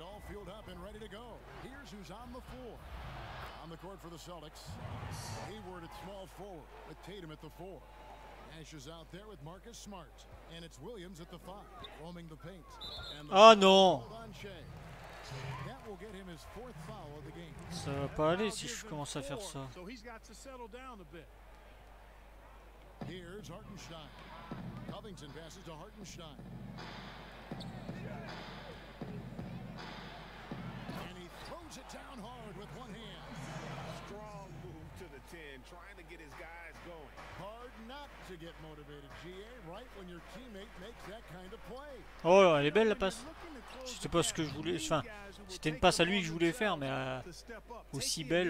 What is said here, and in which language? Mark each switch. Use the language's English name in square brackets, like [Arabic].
[English] All fueled up and ready to go. Here's who's on the floor. On the court for the Celtics. Hayward at small forward with Tatum at the 4. Ash is out there with Marcus Smart. And it's Williams at the 5, roaming the paint. [French] Ah non! [English] That will get him his fourth foul of the game. [French] Ça va pas aller si je commence à faire ça. [English] So he's got to settle down a bit. Here's Hartenstein. Covington passes to Hartenstein. And he throws it down hard with one hand. Strong move to the 10, trying to get his guys going. To get motivated, GA, right when your teammate makes that kind of play. [French] Oh, elle est belle la passe. C'était pas ce que je voulais. Enfin, c'était une passe à lui que je voulais faire, mais aussi belle.